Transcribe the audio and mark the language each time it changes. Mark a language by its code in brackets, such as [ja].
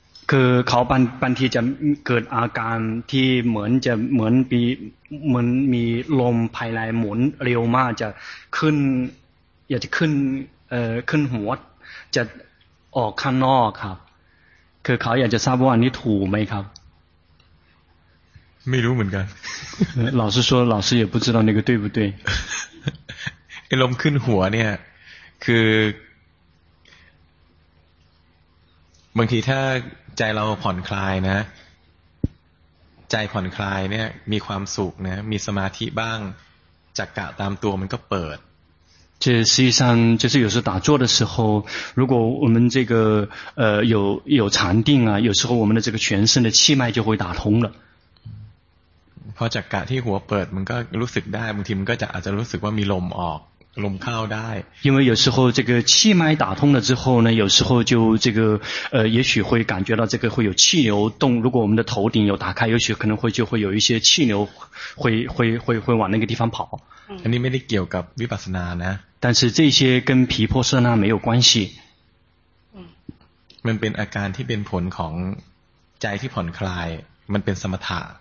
[th] คือเขาบางทีจะเกิดอาการที่เหมือนมีลมภายในหมุนเร็วมากจะขึ้นอยากจะขึ้นขึ้นหัวจะออกข้างนอกครับคือเขาอยากจะทราบว่าอันนี้ถูกไหมครับ ไม่รู้เหมือนกัน [zh] 老师说老师也不知道那个对不对 [th] ไอ้ลมขึ้นหัวเนี่ยคือบางทีถ้าใจเราผ่อนคลายนะใจผ่อนคลายเนี่ยมีความสุขนะมีสมาธิบ้างจักกะตามตัวมันก็เปิด [zh] 这实际上就是有时候打坐的时候如果我们这个有禅定啊有时候我们的这个全身的气脉就会打通了 [th] พอจักกะที่หัวเปิดมันก็รู้สึกได้บางทีมันก็จะอาจจะรู้สึกว่ามีลมออกลมเข้าได้ [zh] 因为有时候这个气脉打通了之后呢有时候就这个也许会感觉到这个会有气流动如果我们的头顶有打开也许可能会就会有一些气流会往那个地方跑 [th] อันนี้ไม่ได้เกี่ยวกับวิปัสสนานะ [zh] 但是这些跟毗婆舍那没有关系 [th] มันเป็นอาการที่เป็นผลของใจที่ผ่อนคลายมันเป็นสมถะ